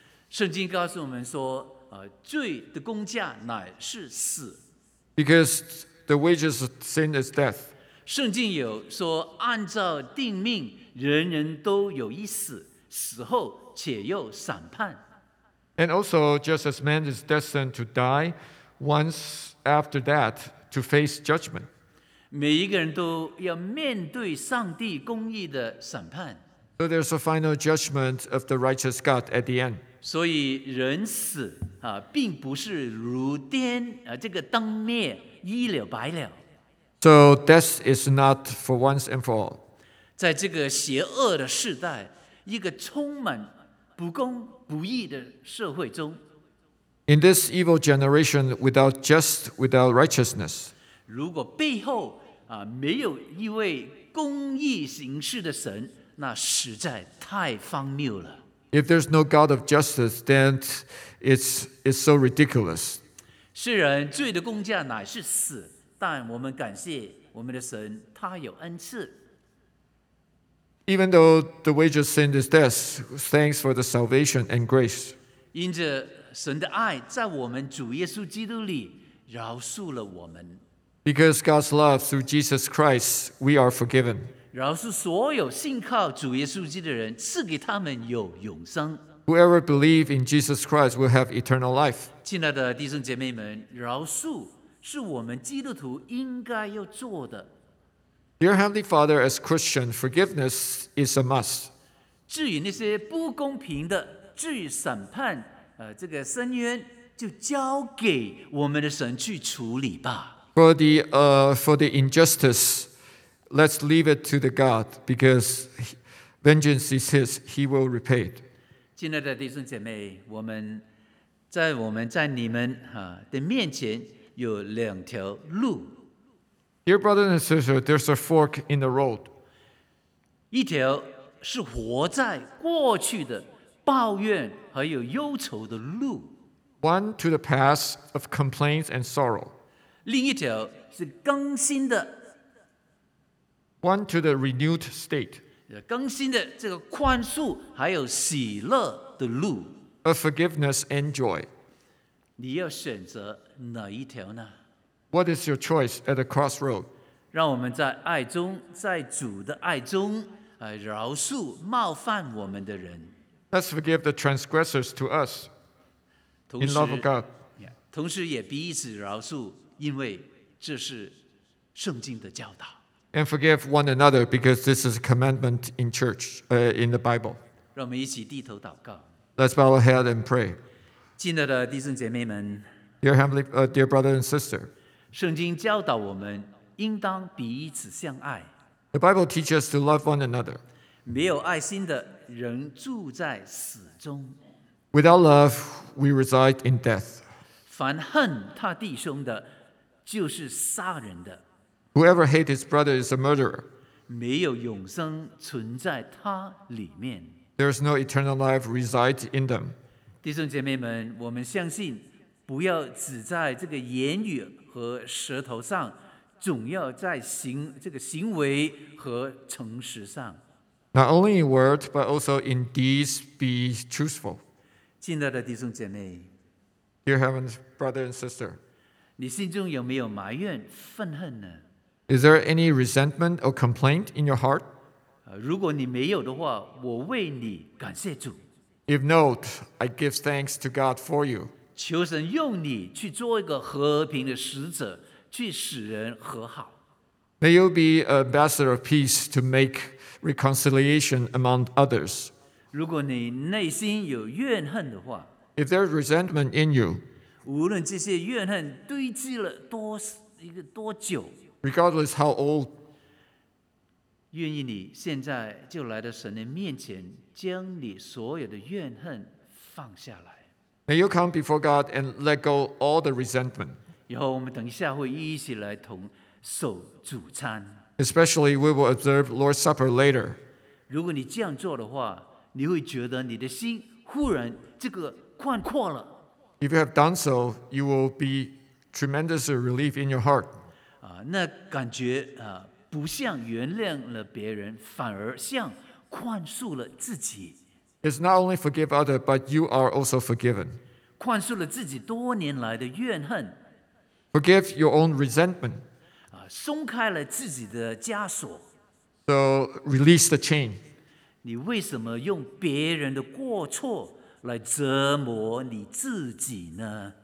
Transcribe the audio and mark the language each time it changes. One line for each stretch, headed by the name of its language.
Chinese: 圣经告诉我们说罪的工价乃是死。
English: Because the wages of sin is death.
Chinese: 圣经有说按照定命人人都有一死，死后且又审判。
English: And also, just as man is destined to die, once after that, to face judgment.
Chinese: 每一个人都要面对上帝公义的审判。
English: So there's a final judgment of the righteous God at the end.
Chinese: 所以人死并不是如电这个灯灭一了百了。
English: So death is not for once and for all.
Chinese: 在这个邪恶的时代，一个充满不公不义的社会中，
English: In this evil generation without just, without righteousness,
Chinese: 如果背后没有一位公义行事的神，那实在太荒谬了。
English: If there's no God of justice, then it's so ridiculous.
Chinese: 虽然罪的工价乃是死，但我们感谢我们的神，他有恩赐。
English: Even though the wages sin is death, thanks for the salvation and grace.
Chinese: 因着神的爱，在我们主耶稣基督里饶恕了我们。
English: Because God's love through Jesus Christ, we are forgiven.
Chinese: 饶恕所有信靠主耶稣基督的人，赐给他们有永生。
English: Whoever believes in Jesus Christ will have eternal life.
Chinese: 亲爱的弟兄姐妹们，饶恕是我们基督徒应该要做的。
English: Dear Heavenly Father, as Christian, forgiveness is a must.
Chinese: 至于那些不公平的，至于审判，这个深渊，就交给我们的神去处理吧。
English: For the injustice, let's leave it to the God, because vengeance is His, He will repay it.
Chinese: 亲爱的弟兄姐妹，我们在你们的面前有两条路。
English: Dear brothers and sisters, there's a fork in the road.
Chinese: 一条是活在过去的抱怨还有忧愁的路。
English: One to the past of complaints and sorrow.
Chinese: 另一条是更新的。
English: One to the renewed state.
Chinese: 更新的这个宽恕还有喜乐的路。
English: Of forgiveness and joy.
Chinese: 你要选择哪一条呢？
English: What is your choice at the crossroad?
Chinese: 让我们在爱中，在主的爱中，饶恕冒犯我们的人。
English: Let's forgive the transgressors to us. In love of God.
Chinese: 同时也彼此饶恕，因为这是圣经的教导。
English: And forgive one another because this is a commandment in church, in the Bible.
Chinese: 让我们一起低头祷告。
English: Let's bow our head and pray.
Chinese: 亲爱的弟兄姐妹们。
English: Dear heavenly, dear brother and sister.
Chinese: 圣经教导我们应当彼此相爱。
English: The Bible teaches us to love one another.
Chinese: 没有爱心的人住在死中。
English: Without love, we reside in death.
Chinese: 凡恨他弟兄的，就是杀人的。
English: Whoever hates his brother is a murderer.
Chinese: 没有永生存在他里面。
English: There is no eternal life reside in them.
Chinese: 弟兄姐妹们，我们相信不要只在这个言语和舌头上，总要在行为和诚实上。
English: Not only in word, but also in deeds, be truthful.
Chinese: 亲爱的弟兄姐妹，
English: Dear heavens, brother and sister,
Chinese: 你心中有没有埋怨、愤恨呢？
English: Is there any resentment or complaint in your heart?
Chinese: 如果你没有的话，我为你感谢主。
English: If not, I give thanks to God for you.
Chinese: 求神用你去做一个和平的使者，去使人和好。
English: May you be an ambassador of peace to make reconciliation among others.
Chinese: 如果你内心有怨恨的话，
English: If there's resentment in you,
Chinese: 无论这些怨恨堆积了多久，
English: Regardless how old,
Chinese: 愿意你现在就来到神的面前，将你所有的怨恨放下来。
English: May you come before God and let go all the resentment.
Chinese: 以后我们等一下会一起来同守主餐。
English: Especially we will observe Lord's Supper later.
Chinese: 如果你这样做的话，你会觉得你的心忽然这个宽阔了。
English: If you have done so, you will be tremendous relief in your heart.
Chinese: 那感觉不像原谅了别人，反而像宽恕了自己。
English: It's not only forgive others, but you are also forgiven.
Chinese: 宽恕了自己多年来的怨恨。
English: Forgive your own resentment.
Chinese: 松开了自己的枷锁。
English: So release the chain.
Chinese: 你为什么用别人的过错来折磨你自己呢？